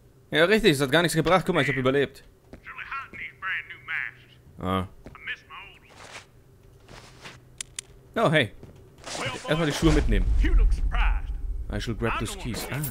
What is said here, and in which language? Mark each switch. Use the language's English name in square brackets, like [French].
[German] Ja, richtig, es hat gar nichts gebracht. Guck mal, ich hab überlebt. [English] It's really hot in these brand new masks. Ah. Oh, hey. [German] Erstmal die Schuhe mitnehmen. [English] I shall grab those keys.